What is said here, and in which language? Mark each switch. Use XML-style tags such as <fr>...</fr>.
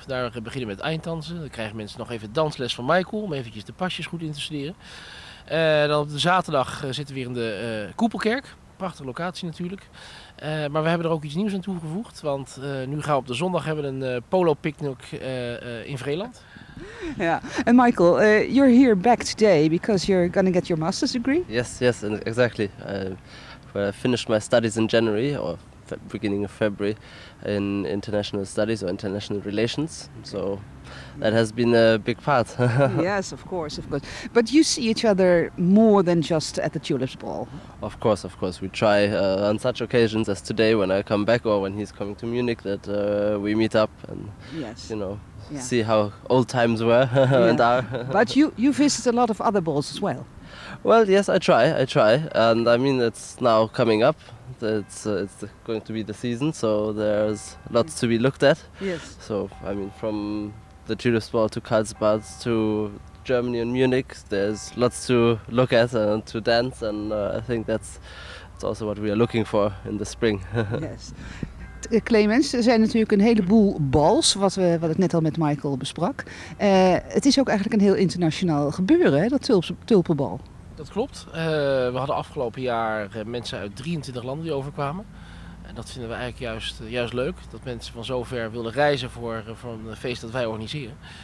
<nl>Daar beginnen we met eindtansen. Dan krijgen mensen nog even dansles van Michael om eventjes de pasjes goed in te studeren. Dan op de zaterdag zitten we weer in de Koepelkerk. Prachtige locatie natuurlijk. Maar we hebben er ook iets nieuws aan toegevoegd. Want nu gaan we op de zondag hebben een polo-picnic in Vreeland. Ja, en</nl> <en>Michael, you're here back today because you're going to get your master's degree. Yes, exactly. I finished my studies in January or beginning of February in international studies or international relations. So that has been a big part. Yes, of course. But you see each other more than just at the Tulips Ball. Of course. We try on such occasions as today when I come back or when he's coming to Munich that we meet up and, yes, you know, yeah, see how old times were and are. But you visit a lot of other balls as well. Well, yes, I try, and I mean it's now coming up. It's going to be the season, so there's lots to be looked at. Yes. So I mean, from the Tulips Ball to Karlsbad to Germany and Munich, there's lots to look at and to dance, and I think that's also what we are looking for in the spring. Yes.</en> <nl>Clemens, er zijn natuurlijk een heleboel bals, wat ik net al met Michael besprak. Het is ook eigenlijk een heel internationaal gebeuren, hè, dat tulpenbal. Dat klopt. We hadden afgelopen jaar mensen uit 23 landen die overkwamen. En dat vinden we eigenlijk juist leuk, dat mensen van zover willen reizen voor een feest dat wij organiseren.</nl>